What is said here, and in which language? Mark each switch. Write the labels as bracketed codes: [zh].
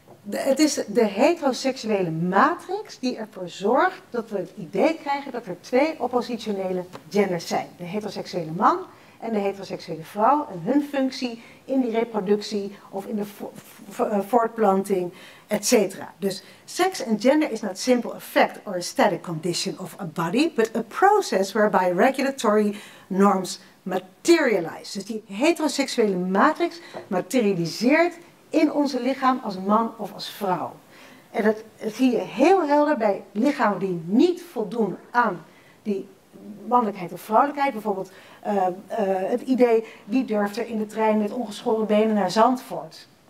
[nl] Het is de heteroseksuele matrix die ervoor zorgt dat we het idee krijgen dat er 2 oppositionele genders zijn. De heteroseksuele man en de heteroseksuele vrouw en hun functie in die reproductie of in de voortplanting, etc. [en] Dus sex and gender is not simple a fact or a static condition of a body, but a process whereby regulatory norms materialize. [nl] Dus die heteroseksuele matrix materialiseert in onze lichaam als man of als vrouw. En dat zie je heel helder bij lichamen die niet voldoen aan die mannelijkheid of vrouwelijkheid. Bijvoorbeeld het idee, wie durft er in de trein met ongeschoren benen naar Zandvoort?